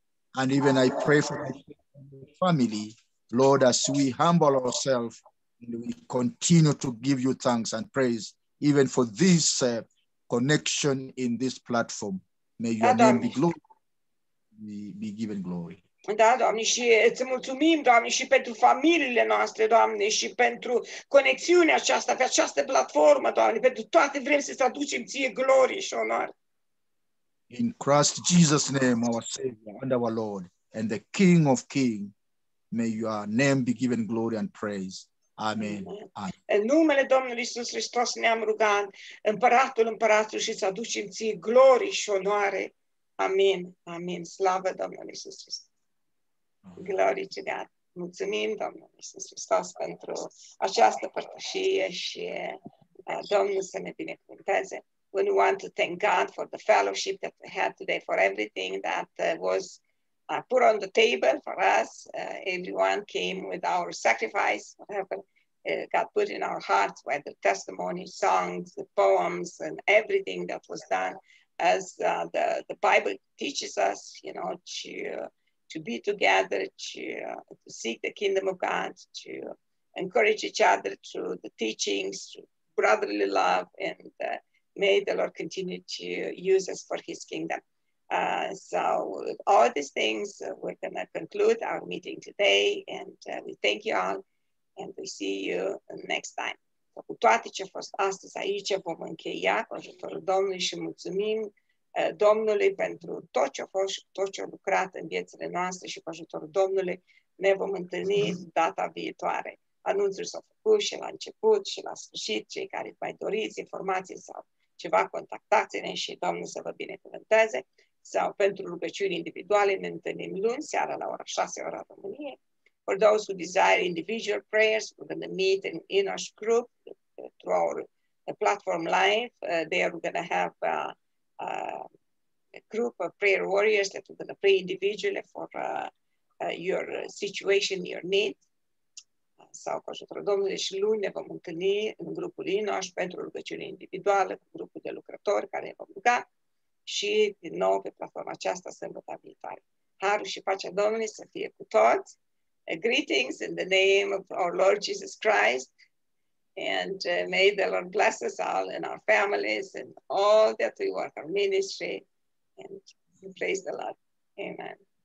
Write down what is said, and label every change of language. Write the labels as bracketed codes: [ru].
[en] And even I pray for my family, Lord, as we humble ourselves, we continue to give you thanks and praise, even for this connection in this platform. May your name be glory. Be given glory. [ro] Da, Doamne, și îți mulțumim, Doamne, și pentru familiile noastre, Doamne, și pentru conexiunea aceasta, pe această platformă, Doamne, pentru toate vrem să-ți aducem ție glorie și onoare. [en] In Christ Jesus' name, our Savior and our Lord, and the King of Kings, may your name be given glory and praise. Amen. [ro] În numele Domnului Iisus Hristos ne-am rugat, Împăratul Împăratul, și să aducem ție glorie și onoare. Amin. Amin. Slavă Domnului Iisus Hristos. Glorie ce ne-a. Mulțumim Domnului Iisus Hristos pentru această părtășie și Domnul să ne binecuvânteze. [en] We want to thank God for the fellowship that we had today, for everything that was put on the table for us. Everyone came with our sacrifice, whatever got put in our hearts, whether testimonies, songs, the poems, and everything that was done. As the Bible teaches us, you know, to be together, to seek the kingdom of God, to encourage each other through the teachings, through brotherly love, and may the Lord continue to use us for his kingdom. So with all these things, we're going to conclude our meeting today, and we thank you all, and we see you next time. [ro] Cu toate ce a fost astăzi aici, vom încheia cu ajutorul Domnului și mulțumim Domnului pentru tot ce a fost, tot ce a lucrat în viețile noastre și cu ajutorul Domnului ne vom întâlni data viitoare. Anunțuri s-au făcut și la început și la sfârșit, cei care mai doriți informații sau ceva, contactați-ne și Domnul să vă binecuvânteze. Sau pentru rugăciuni individuale ne întâlnim luni seara la ora 6 ora României. [en] For those who desire individual prayers, we're going to meet in Enosh group through our platform live. There we're going to have a group of prayer warriors that we're going to pray individually for your situation, your need. [ro] Sau cu ajutorul Domnului și luni ne vom întâlni în grupul Enosh pentru rugăciune individuală, cu grupul de lucrători care ne vom ruga și din nou pe platforma aceasta sâmbătă viitoare. Harul și pacea Domnului să fie cu toți. [en] Greetings in the name of our Lord Jesus Christ, and may the Lord bless us all and our families and all that we work our ministry, and praise the Lord. Amen.